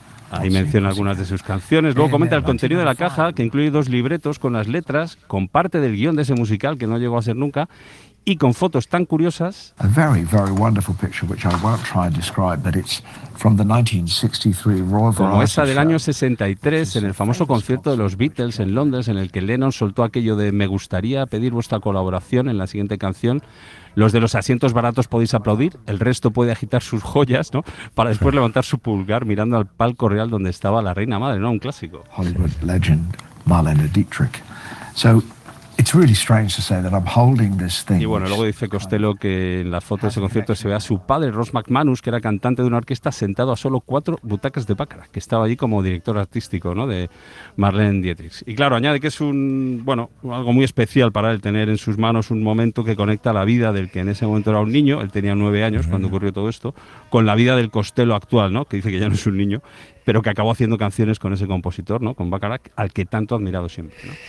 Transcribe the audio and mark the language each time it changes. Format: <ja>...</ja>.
<es>Ahí menciona algunas de sus canciones. Luego comenta el contenido de la caja, que incluye dos libretos con las letras, con parte del guión de ese musical que no llegó a ser nunca, y con fotos tan curiosas.</es> <en>A very, very wonderful picture, which I won't try and describe, but it's from the 1963 Royal Variety.</en> <es>Como esa del año 63, en el famoso concierto de los Beatles en Londres, en el que Lennon soltó aquello de "me gustaría pedir vuestra colaboración" en la siguiente canción. Los de los asientos baratos podéis aplaudir, el resto puede agitar sus joyas, ¿no? Para después levantar su pulgar mirando al palco real donde estaba la reina madre, ¿no? Un clásico.</es> <en>Hollywood legend Marlene Dietrich. So, it's really strange to say that I'm holding this thing.</en> <es>Y bueno, luego dice Costello que en la foto de ese concierto se ve a su padre, Ross McManus, que era cantante de una orquesta, sentado a solo cuatro butacas de Bacharach, que estaba allí como director artístico, ¿no?, de Marlene Dietrich. Y claro, añade que es un, bueno, algo muy especial para él tener en sus manos un momento que conecta la vida del que en ese momento era un niño, él tenía 9 años cuando ocurrió todo esto, con la vida del Costello actual, ¿no?, que dice que ya no es un niño, pero que acabó haciendo canciones con ese compositor, ¿no?, con Bacharach, al que tanto ha admirado siempre, ¿no?</es>